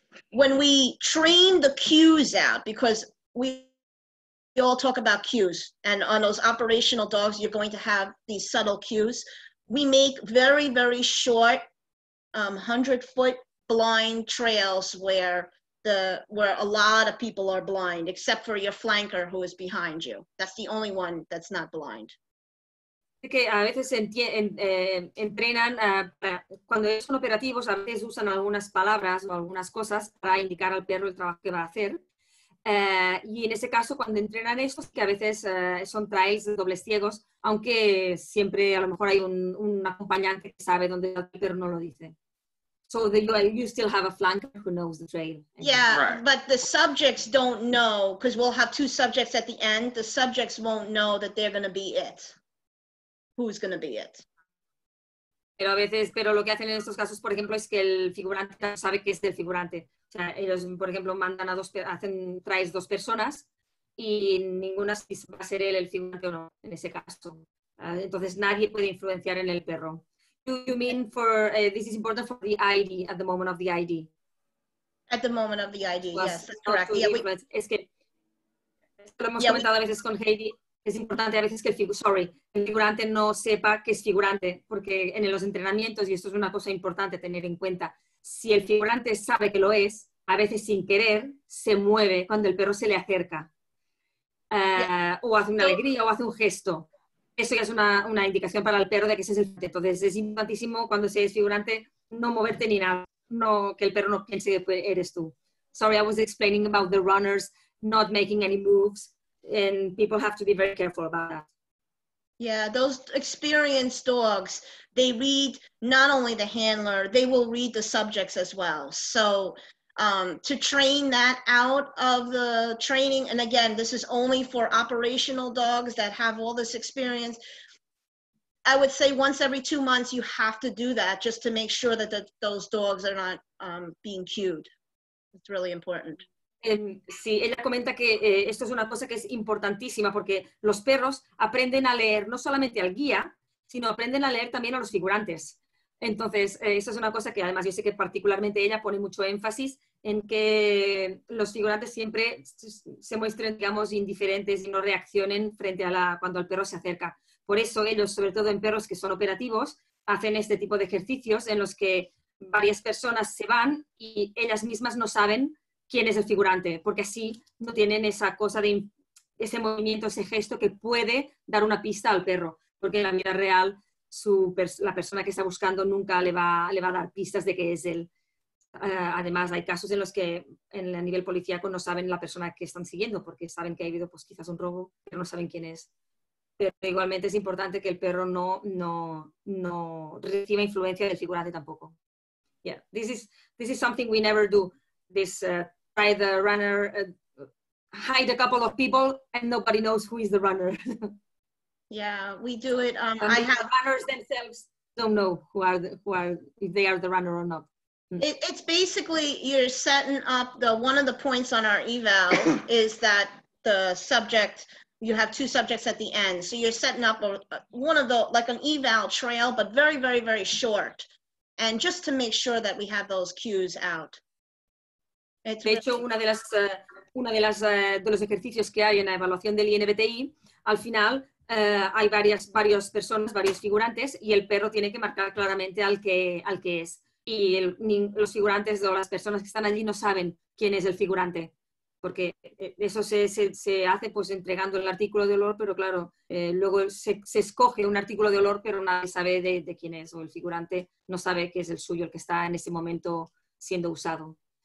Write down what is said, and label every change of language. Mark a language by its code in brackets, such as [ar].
[en] When we train the cues out, because we all talk about cues, and on those operational dogs, you're going to have these subtle cues. We make very, very short 100-foot blind trails where a lot of people are blind, except for your flanker who is behind you. That's the only one that's not blind. [es] Que a veces entrenan cuando son operativos, a veces usan algunas palabras o algunas cosas para indicar al perro el trabajo que va a hacer, y en ese caso cuando entrenan estos que a veces son trails dobles ciegos, aunque siempre a lo mejor hay un acompañante que sabe dónde está el perro, no lo dice. [en] So you still have a flanker who knows the trail. Yeah, right. But the subjects don't know, because we'll have two subjects at the end. The subjects won't know that they're going to be it. Who's going to be it? [es] Pero a veces, pero lo que hacen en estos casos, por ejemplo, es que el figurante sabe que es el figurante. O sea, ellos, por ejemplo, mandan a dos, hacen traes dos personas y ninguna si va a ser él el figurante o no en ese caso. Entonces nadie puede influenciar en el perro. [en] You mean for this is important for the ID at the moment of the ID. At the moment of the ID, yes, that's correct. [es] Es que lo hemos comentado a veces con Heidi. es importante a veces que el figurante no sepa que es figurante, porque en los entrenamientos, y esto es una cosa importante tener en cuenta, si el figurante sabe que lo es, a veces sin querer se mueve cuando el perro se le acerca. O hace una alegría o hace un gesto. Eso ya es una indicación para el perro de que ese es el figurante. Entonces es importantísimo cuando se es figurante no moverte ni nada, no, que el perro no piense que eres tú. [en] Sorry, I was explaining about the runners not making any moves, and people have to be very careful about that. Yeah, those experienced dogs, they read not only the handler, they will read the subjects as well. So to train that out of the training, and again, this is only for operational dogs that have all this experience, I would say once every 2 months, you have to do that just to make sure that those dogs are not being cued. It's really important. [es] Sí, ella comenta que esto es una cosa que es importantísima porque los perros aprenden a leer no solamente al guía, sino aprenden a leer también a los figurantes. Entonces, esto es una cosa que además yo sé que particularmente ella pone mucho énfasis en que los figurantes siempre se muestren, digamos, indiferentes y no reaccionen frente a cuando el perro se acerca. Por eso ellos, sobre todo en perros que son operativos, hacen este tipo de ejercicios en los que varias personas se van y ellas mismas no saben quién es el figurante, porque así no tienen esa cosa de ese movimiento, ese gesto que puede dar una pista al perro, porque en la vida real la persona que está buscando nunca le va a dar pistas de que es él. Además, hay casos en los que a nivel policíaco no saben la persona que están siguiendo, porque saben que ha habido pues, quizás un robo, pero no saben quién es. Pero igualmente es importante que el perro no reciba influencia del figurante tampoco. [en] Yeah, this is something we never do. This try the runner, hide a couple of people, and nobody knows who is the runner. Yeah, we do it. The runners themselves don't know who are if they are the runner or not. It's basically you're setting up one of the points on our eval is that the subject, you have two subjects at the end, so you're setting up an eval trail, but very very very short, and just to make sure that we have those cues out. [es] De hecho, uno de los ejercicios que hay en la evaluación del INBTI, al final hay varias personas, varios figurantes, y el perro tiene que marcar claramente al que es. Y los figurantes o las personas que están allí no saben quién es el figurante, porque eso se hace pues entregando el artículo de olor, pero claro, luego se escoge un artículo de olor, pero nadie sabe de quién es, o el figurante no sabe que es el suyo, el que está en ese momento siendo usado.